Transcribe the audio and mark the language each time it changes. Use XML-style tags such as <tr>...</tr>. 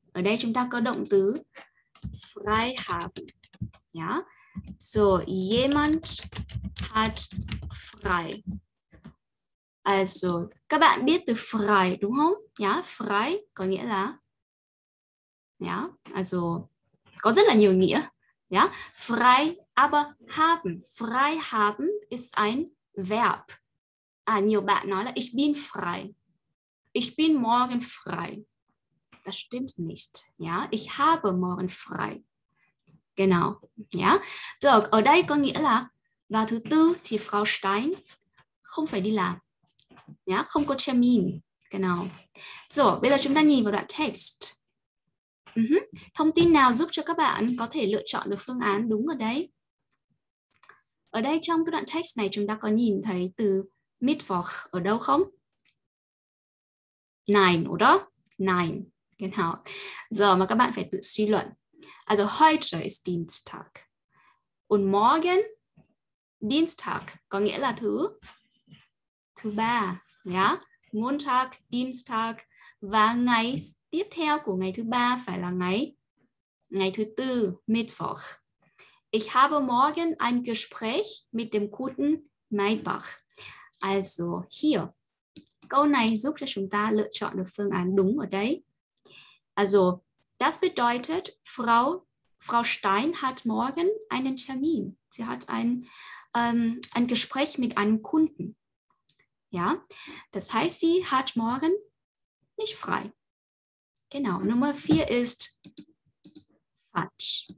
<vi>Ở đây chúng ta có động từ frei haben. Yeah.</vi> <de>So, jemand hat frei.</de> <vi>Also, các bạn biết từ frei đúng không? Yeah, frei có nghĩa là yeah, also có rất là nhiều nghĩa.</vi> <de>Yeah, frei, aber haben, frei haben ist ein Verb.</de> <vi>À, nhiều bạn nói là</vi> <de>ich bin frei. Ich bin morgen frei. Das stimmt nicht. Yeah, ich habe morgen frei. Genau. Yeah.</de> <vi>So, ở đây có nghĩa là vào thứ tư thì Frau Stein không phải đi làm. Yeah, không có Termin. Genau. So, bây giờ chúng ta nhìn vào đoạn text. Thông tin nào giúp cho các bạn có thể lựa chọn được phương án đúng ở đây? Ở đây trong cái đoạn text này chúng ta có nhìn thấy từ Mittwoch ở đâu không? Nein, đúng không? Nein. Genau. Giờ mà các bạn phải tự suy luận.</vi> <de>Also heute ist Dienstag. Und morgen Dienstag</de> <vi>có nghĩa là thứ ba, yeah. Montag, Dienstag và ngày tiếp theo của ngày thứ ba phải là ngày thứ tư, Mittwoch.</vi> <de>Ich habe morgen ein Gespräch mit dem guten Maybach. Also hier.</de> <vi>Câu này giúp cho chúng ta lựa chọn được phương án đúng ở đây.</vi> <de>Also, das bedeutet, Frau Stein hat morgen einen Termin. Sie hat ein Gespräch mit einem Kunden. Ja, das heißt, sie hat morgen nicht frei. Genau, Nummer 4 ist falsch.</de>